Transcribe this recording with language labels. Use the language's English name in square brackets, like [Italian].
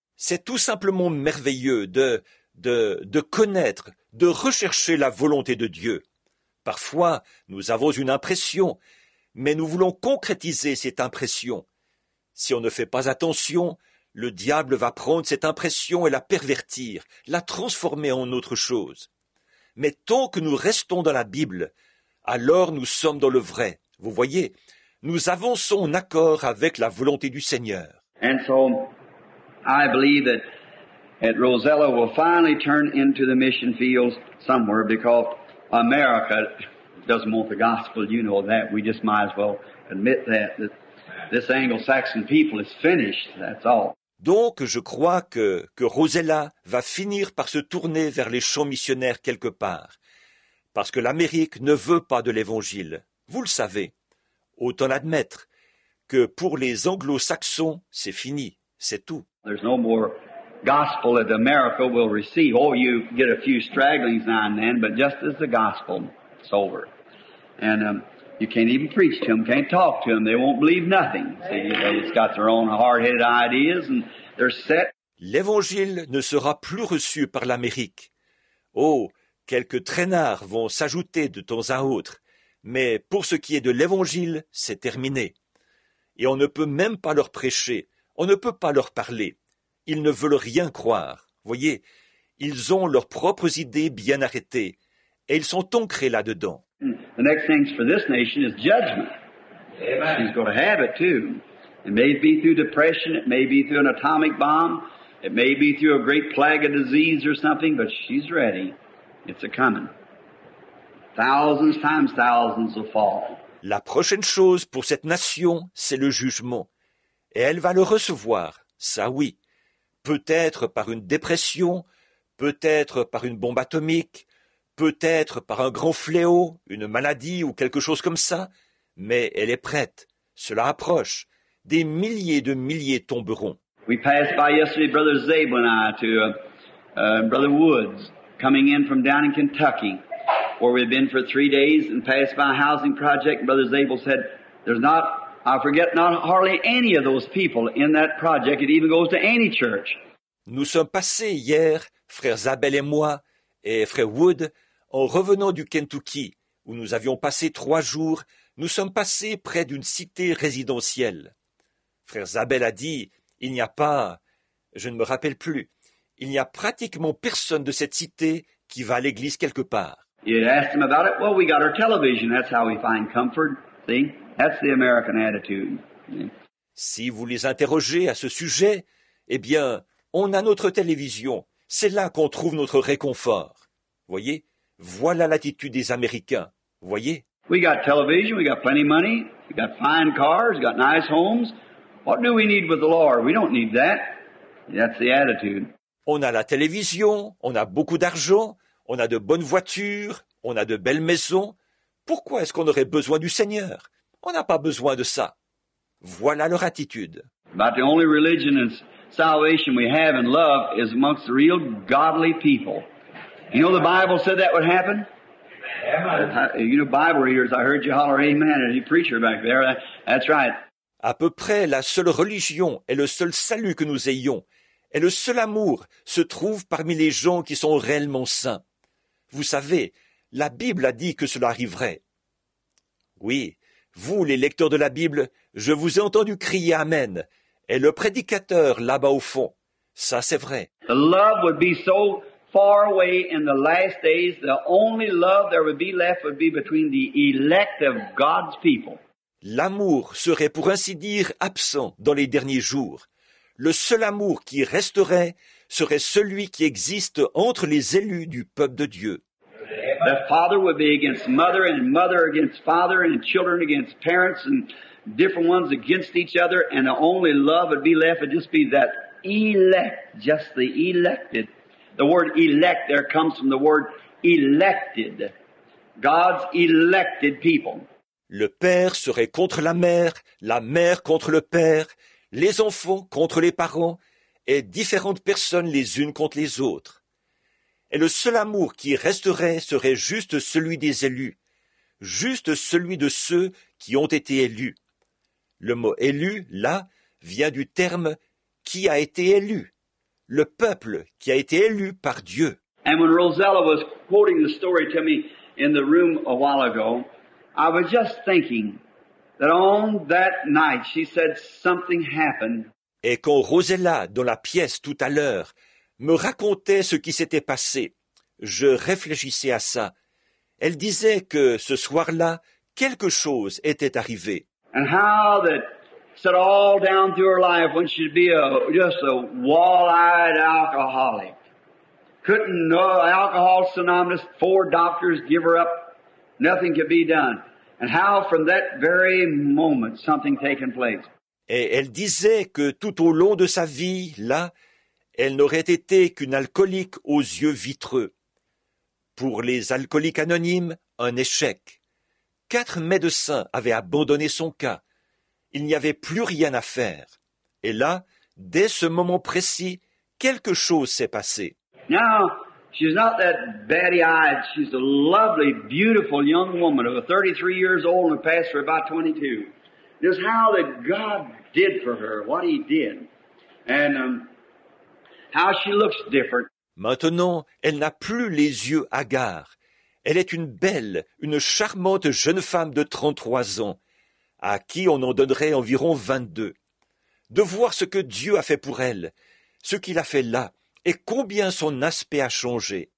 [French] C'est tout simplement merveilleux de connaître, de rechercher la volonté de Dieu. Parfois, nous avons une impression, mais nous voulons concrétiser cette impression. Si on ne fait pas attention, le diable va prendre cette impression et la pervertir, la transformer en autre chose. Mais tant que nous restons dans la Bible, alors nous sommes dans le vrai. Vous voyez, nous avons son accord avec la volonté du Seigneur. [English] And so I believe that at Rosella will finally turn into the mission fields somewhere because America doesn't want the gospel, you know that. We just might as well admit that, that this Anglo-Saxon people is finished, that's all. [French] Donc, je crois que Rosella va finir par se tourner vers les champs missionnaires quelque part, parce que l'Amérique ne veut pas de l'Évangile. Vous le savez, autant l'admettre que pour les Anglo-Saxons, c'est fini, c'est tout. [English] There's no more gospel that America will receive. Oh, you get a few stragglings now and then, but just as the gospel, it's over. And you can't even preach to them, can't talk to them, they won't believe nothing. See, they just got their own hard-headed ideas and they're set. [French] L'Évangile ne sera plus reçu par l'Amérique. Oh, quelques traînards vont s'ajouter de temps à autre, mais pour ce qui est de l'Évangile, c'est terminé. Et on ne peut même pas leur prêcher, on ne peut pas leur parler. Ils ne veulent rien croire. Voyez, ils ont leurs propres idées bien arrêtées et ils sont ancrés là-dedans. [English] The next thing for this nation is judgment. Amen. She's going to have it too. It may be through depression, it may be through an atomic bomb, it may be through a great plague of disease or something, but she's ready. It's a coming. Thousands times thousands will fall. [French] La prochaine chose pour cette nation, c'est le jugement. Et elle va le recevoir, ça oui. Peut-être par une dépression, peut-être par une bombe atomique, peut-être par un grand fléau, une maladie ou quelque chose comme ça, mais elle est prête. Cela approche. Des milliers de milliers tomberont. [English] We passed by yesterday, Brother Zabel and I, to Brother Woods, coming in from down in Kentucky, where we've been for 3 days, and passed by a housing project. Brother Zabel said, there's not, I forget, not hardly any of those people in that project. It even goes to any church. [French] Nous sommes passés hier, Frère Zabel et moi, et Frère Wood, en revenant du Kentucky, où nous avions passé 3 jours, nous sommes passés près d'une cité résidentielle. Frère Zabel a dit, il n'y a pas, je ne me rappelle plus, il n'y a pratiquement personne de cette cité qui va à l'église quelque part. [English] You asked him about it? Well, we got our television, that's how we find comfort, see? That's the American attitude. [French] Si vous les interrogez à ce sujet, eh bien, on a notre télévision. C'est là qu'on trouve notre réconfort. Voyez, voilà l'attitude des Américains. Voyez. [English] We got television, we got plenty of money, we got fine cars, we got nice homes. What do we need with the Lord? We don't need that. That's the attitude. [French] On a la télévision, on a beaucoup d'argent, on a de bonnes voitures, on a de belles maisons. Pourquoi est-ce qu'on aurait besoin du Seigneur? On n'a pas besoin de ça. Voilà leur attitude. [English] About the only religion is salvation we have in love is amongst real godly people. You know the Bible said that would happen? Amen. You know Bible readers, I heard you holler amen at your preacher back there. That's right. [French] À peu près la seule religion et le seul salut que nous ayons et le seul amour se trouve parmi les gens qui sont réellement saints. Vous savez, la Bible a dit que cela arriverait. Oui, vous les lecteurs de la Bible, je vous ai entendu crier amen. Et le prédicateur là-bas au fond, ça c'est vrai. [English] The love would be so far away in the last days, the only love there would be left would be between the elect of God's people. [French] L'amour serait pour ainsi dire absent dans les derniers jours. Le seul amour qui resterait serait celui qui existe entre les élus du peuple de Dieu. [English] The father would be against mother and mother against father and children against parents and different ones against each other, and the only love would be left would just be that elect, just the elected. The word elect there comes from the word elected, God's elected people. [French] Le père serait contre la mère contre le père, les enfants contre les parents, et différentes personnes les unes contre les autres. Et le seul amour qui resterait serait juste celui des élus, juste celui de ceux qui ont été élus. Le mot « élu », là, vient du terme « qui a été élu », le peuple qui a été élu par Dieu. [English] And when Rosella was quoting the story to me in the room a while ago, I was just thinking that on that night she said something happened. [French] Et quand Rosella, dans la pièce tout à l'heure, me racontait ce qui s'était passé, je réfléchissais à ça. Elle disait que ce soir-là, quelque chose était arrivé. [English] And how that set all down through her life when she'd be just a wall-eyed alcoholic. Couldn't know Alcoholics Anonymous, four doctors give her up, nothing could be done. And how from that very moment something taken place. [French] Et elle disait que tout au long de sa vie, là, elle n'aurait été qu'une alcoolique aux yeux vitreux. Pour les alcooliques anonymes, un échec. Quatre médecins avaient abandonné son cas. Il n'y avait plus rien à faire. Et là, dès ce moment précis, quelque chose s'est passé. [English] Now, she's not that batty-eyed. She's a lovely, beautiful young woman of 33 years old and a pastor about 22. Just how that God did for her, what he did. And how she looks different. [French] Maintenant, elle n'a plus les yeux hagards. Elle est une belle, une charmante jeune femme de 33 ans, à qui on en donnerait environ 22. De voir ce que Dieu a fait pour elle, ce qu'il a fait là, et combien son aspect a changé.